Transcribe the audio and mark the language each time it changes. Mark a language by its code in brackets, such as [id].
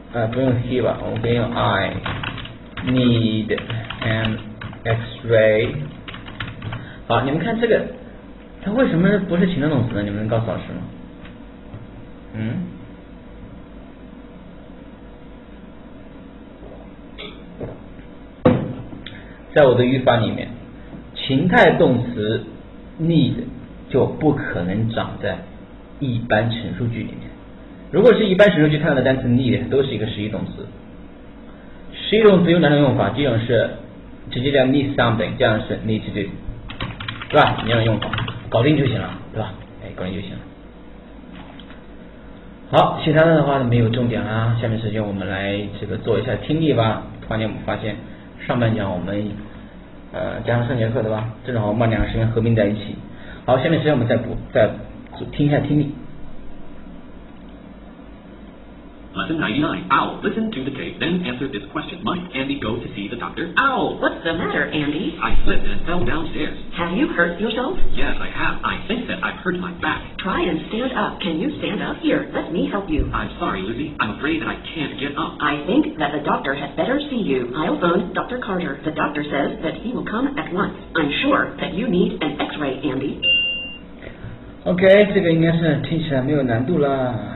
[zh] 不用 he 吧，我们用 I need an X-ray。好，你们看这个它为什么不是情态动词呢？你们能告诉老师吗？在我的语法里面，情态动词 need就不可能长在一般陈述句里面。如果是一般陈述句看到的单词 need 都是一个实义动词。实义动词有两种用法，这种是直接叫 need something， 这样是 need to do， 对吧？两种用法，搞定就行了，对吧？哎，搞定就行了。好，其他的话没有重点啊，下面时间我们来这个做一下听力吧。突然间我们发现上半讲我们加上上节课的吧，正好我们两个时间合并在一起。好，下面时间我们再听一下听力。 [en] Lesson 99. Owl, listen to the tape, then answer this question. Might Andy go to see the doctor? Owl, what's the matter, Andy? I slipped and fell downstairs. Have you hurt yourself? Yes, I have. I think that I've hurt my back. Try and stand up. Can you stand up? Here, let me help you. I'm sorry, Lucy. I'm afraid that I can't get up. I think that the doctor had better see you. I'll phone Dr. Carter. The doctor says that he will come at once. I'm sure that you need an X-ray, Andy. [zh] OK, 这个应该是听起来没有难度了。